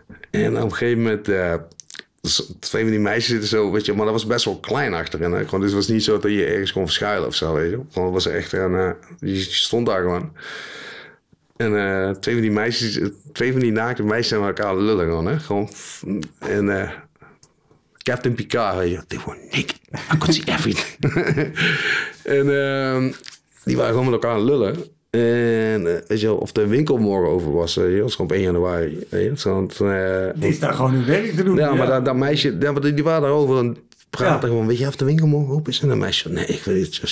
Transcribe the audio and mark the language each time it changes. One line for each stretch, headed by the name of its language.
Dutch: En op een gegeven moment, 2 van die meisjes zitten zo, weet je, maar dat was best wel klein achterin, hè? Gewoon, dus het was niet zo dat je ergens kon verschuilen of zo, weet je, gewoon, het was echt, je stond daar gewoon. En 2 van die naakte meisjes zijn met elkaar lullen gewoon, hè? Gewoon.
English: En Captain Picard,
Dutch: weet je,
English: they were naked. I could see everything.
Dutch: En die waren gewoon met elkaar lullen. En weet je wel, of de winkel morgen over was, dat was op 1 januari. Die is daar gewoon hun werk te doen. Ja, maar dat meisje, die waren daarover aan het praten. Ja. Gewoon, weet je, of de winkel morgen open is? En dat meisje, nee, ik weet het.